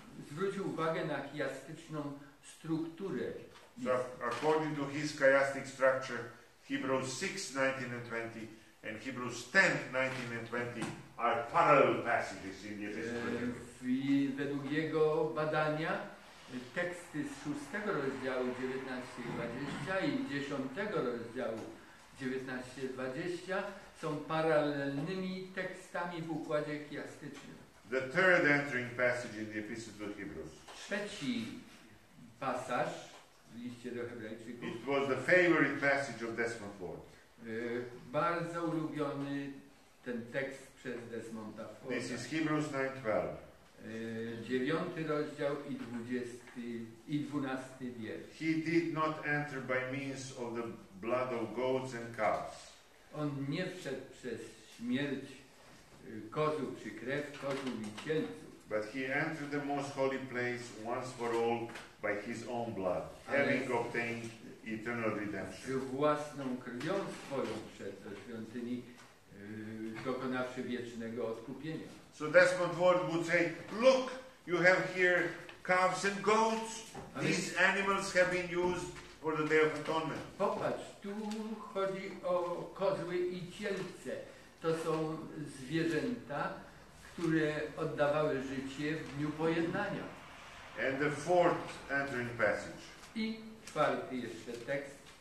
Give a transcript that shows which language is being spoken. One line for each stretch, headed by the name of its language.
Polish: zwrócił uwagę na chiastyczną strukturę.
English: So according to his chiastic structure, Hebrews 6, 19 and 20 and Hebrews 10, 19 and 20 are parallel passages in the Epistle.
Polish: Według jego badania teksty z 6 rozdziału 19-20 i 10 rozdziału 19-20 są paralelnymi tekstami w układzie chiastycznym.
English: The third entering passage in the Epistle to Hebrews.
Polish: Trzeci pasaż w liście do Hebrajczyków.
English: It was the favorite passage of Desmond Ford.
Polish: Bardzo ulubiony ten tekst przez Desmonda Forda.
English: This is Hebrews 9:12.
Polish: 9 rozdział i 20 i 12 wiersz.
English: He did not enter by means of the blood of goats and calves.
Polish: On nie wszedł przez śmierć kozłów czy krew kozłów i cielców.
English: But he entered the most holy place once for all by his own blood, having obtained eternal redemption.
Polish: Własną krwią swoją wszedł do świątyni, dokonawszy wiecznego odkupienia.
English: So Desmond Ward would say, look, you have here calves and goats. These animals have been used for the Day of Atonement.
Polish: Popatrz, tu chodzi o kozły i cielce. To są zwierzęta, które oddawały życie w dniu pojednania.
English: And the fourth entering passage.
Polish: I czwarty jeszcze tekst.